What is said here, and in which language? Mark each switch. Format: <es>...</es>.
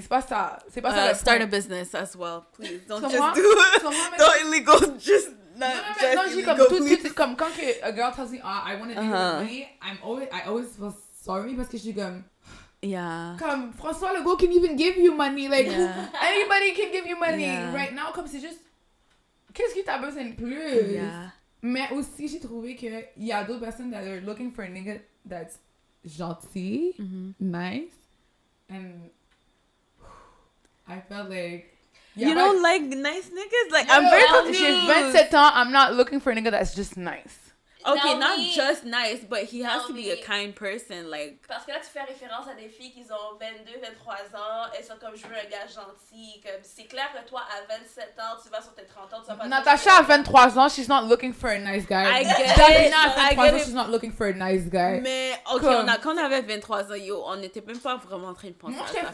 <en>Start a business as well, please. Don't just do it.</en> <fr>Quand que</fr> <en>a girl tells me, ah, I want to do money, I always feel sorry</en> <fr>parce que je suis comme,</fr> <en>yeah. Comme François Legault can even give you money, like anybody can give you money right now.</en> <fr>Comme c'est juste, qu'est-ce que t'as besoin de plus?</fr> <en>Yeah.</en> <fr>Mais aussi j'ai trouvé que y a d'autres personnes</fr> <en>that are looking for a nigga that's gentil, nice, and I felt like. Yeah, you don't like nice niggas? Like, yo, I'm very confused. She's</en> <fr>27 ans.</fr> <en>I'm not looking for a nigga that's just nice. Okay, non, not just nice, but he has to be a kind person. Like,</en> <fr>parce que là, tu fais référence à des filles qui ont 22, 23 ans. Elles sont comme, je veux un gars gentil. Comme, c'est clair que toi, à 27 ans, tu vas sur tes 30 ans. Tu vas pas</fr> <en>Natasha, à 23 ans, she's not looking for a nice guy. She's not looking for a nice guy.</en> <fr>Mais, ok, comme, quand on avait 23 ans, yo, on n'était même pas vraiment en train de penser à ça.</fr>